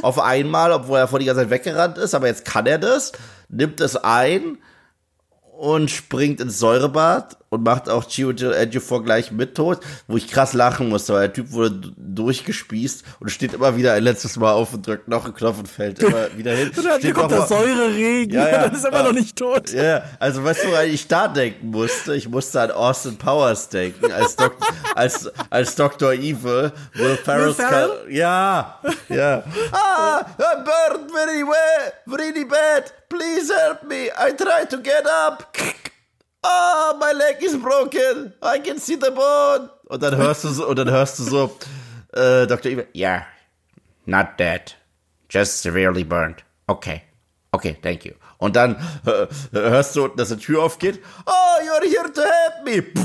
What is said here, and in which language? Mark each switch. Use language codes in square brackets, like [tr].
[de] Auf einmal, obwohl er vor die ganze Zeit weggerannt ist, aber jetzt kann er das, nimmt es ein und springt ins Säurebad und macht auch Chiwetel Ejiofor gleich mit tot, wo ich krass lachen musste, weil der Typ wurde durchgespießt und steht immer wieder ein letztes Mal auf und drückt noch einen Knopf und fällt immer wieder hin. Hier kommt der Säureregen, ja, dann ist er immer noch nicht tot. Ja, also weißt du, woran ich da denken musste? Ich musste an Austin Powers denken, als Dr. Evil, Will Ferrell's Ja. [en] Ah, I'm burned very well, really bad, please help me, I try to get up. Oh, my leg is broken. I can see the bone. [de] Und dann hörst du so, Dr. Evil. [en] Yeah, not dead. Just severely burned. Okay, thank you. [de] Und dann hörst du, dass die Tür aufgeht. [en] Oh, you're here to help me.